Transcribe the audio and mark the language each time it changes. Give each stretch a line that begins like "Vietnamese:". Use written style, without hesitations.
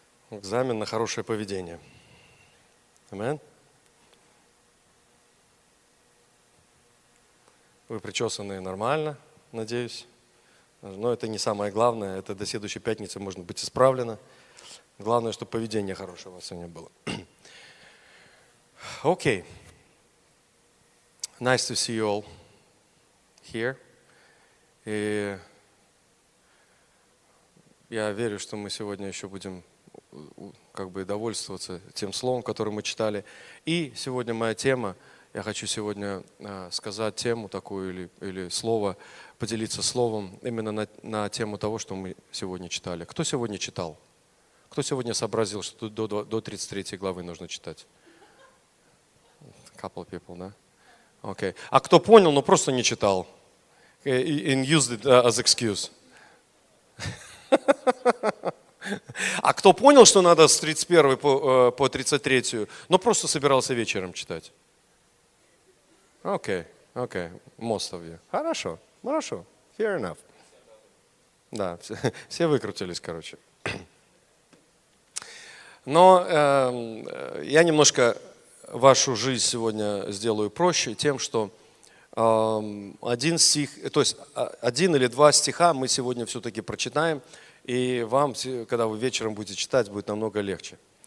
Russian: Экзамен на хорошее поведение. Амен. Вы причесаны нормально, надеюсь. Но это не самое главное. Это до следующей пятницы может быть исправлено. Главное, чтобы поведение хорошее у вас сегодня было. Окей.
English: Okay. Nice to see you all here.
Russian: И я верю, что мы сегодня еще будем как бы довольствоваться тем словом, которое мы читали. И сегодня моя тема. Я хочу сегодня сказать тему такую или слово, поделиться словом именно на тему того, что мы сегодня читали. Кто сегодня читал? Кто сегодня сообразил, что до 33 главы нужно читать?
English: Couple people,
Russian: да? Окей.
English: Okay.
Russian: А кто понял, но просто не читал?
English: And used it as excuse.
Russian: А кто понял, что надо с 31 по 33, но просто собирался вечером читать? Окей, окей,
English: most of you.
Russian: Хорошо, хорошо,
English: fair enough.
Russian: Да, все выкрутились, короче. Но я немножко вашу жизнь сегодня сделаю проще тем, что один стих, то есть один или два стиха мы сегодня все-таки прочитаем, и вам, когда вы вечером будете читать, будет намного легче.